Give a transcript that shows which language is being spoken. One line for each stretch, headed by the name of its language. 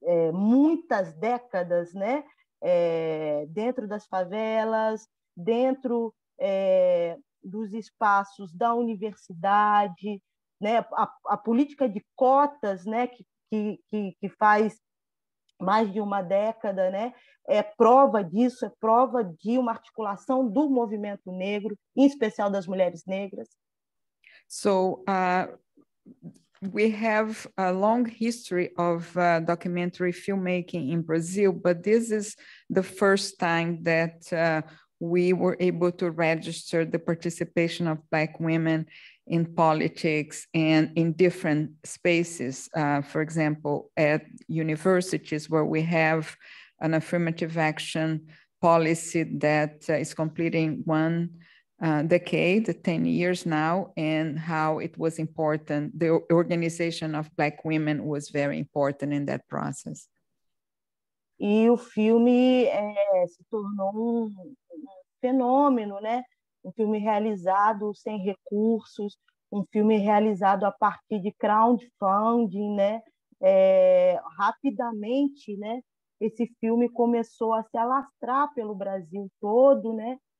Portuguese: muitas décadas, né, dentro das favelas, dentro dos espaços da universidade, né, a política de cotas, né, que faz mais de uma década, né, é prova disso, é prova de uma articulação do movimento negro, em especial das mulheres negras.
English: So, we have a long history of documentary filmmaking in Brazil, but this is the first time that we were able to register the participation of Black women in politics and in different spaces, for example, at universities where we have an affirmative action policy that is completing one decade, 10 years now, and how it was important, the organization of Black women was very important in that process.
Portuguese: E o filme se tornou um fenômeno, né? Um filme realizado sem recursos, um filme realizado a partir de crowdfunding, né? Rapidamente, né, esse filme começou a se alastrar pelo Brasil todo, né?